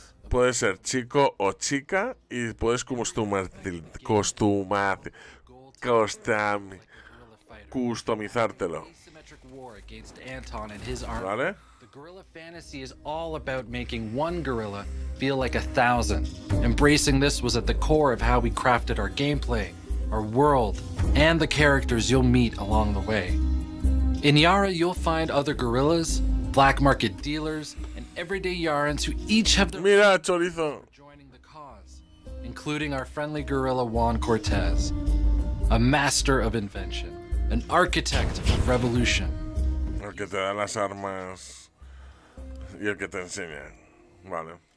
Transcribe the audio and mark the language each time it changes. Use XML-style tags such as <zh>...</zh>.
<es>Puede ser chico o chica y puedes customizártelo. ¿Vale?</es> <en>The guerrilla fantasy is all about making one guerrilla feel like a thousand. Embracing this was at the core of how we crafted our gameplay, our world, and the characters you'll meet along the way. In Yara, you'll find other guerrillas, black market dealers, and everyday Yarans who each have their</en> <es>Mira, chorizo.</es> <en>Joining the cause, including our friendly guerrilla Juan Cortez, a master of invention. An architect of revolution.</en> <es>El que te da las armas y el que te enseña, vale.</es>